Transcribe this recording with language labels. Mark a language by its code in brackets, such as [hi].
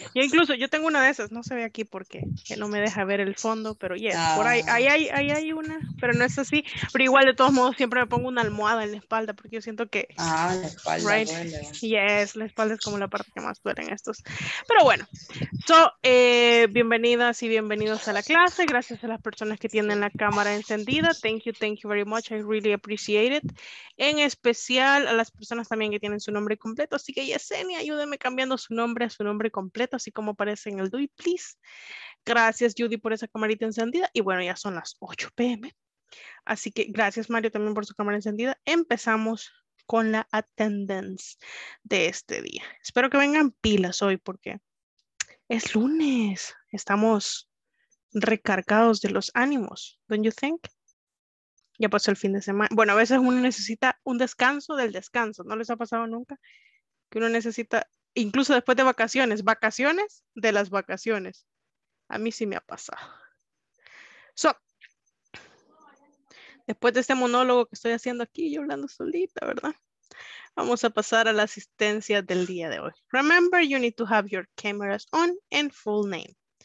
[es] Y incluso yo tengo una de esas, no se ve aquí porque no me deja ver el fondo, pero yes, por ahí hay una, pero no es así. Pero igual, de todos modos, siempre me pongo una almohada en la espalda porque yo siento que... Ah, la espalda right? duele. Yes, la espalda es como la parte que más duele en estos. Pero bueno, so, bienvenidas y bienvenidos a la clase. Gracias a las personas que tienen la cámara encendida. [en] Thank you very much. I really appreciate it. [es] En especial a las personas también que tienen su nombre completo. Así que Yesenia, ayúdeme cambiando su nombre a su nombre completo, así como aparece en el DUI, please. Gracias, Judy, por esa camarita encendida. Y bueno, ya son las 8 p.m. Así que gracias, Mario, también por su cámara encendida. Empezamos con la attendance de este día. Espero que vengan pilas hoy porque es lunes. Estamos recargados de los ánimos, [en] don't you think? [es] Ya pasó el fin de semana. Bueno, a veces uno necesita un descanso del descanso. ¿No les ha pasado nunca? Que uno necesita, incluso después de vacaciones, vacaciones de las vacaciones. A mí sí me ha pasado. So, después de este monólogo que estoy haciendo aquí, yo hablando solita, ¿verdad? Vamos a pasar a la asistencia del día de hoy. [en] Remember, you need to have your cameras on and full name.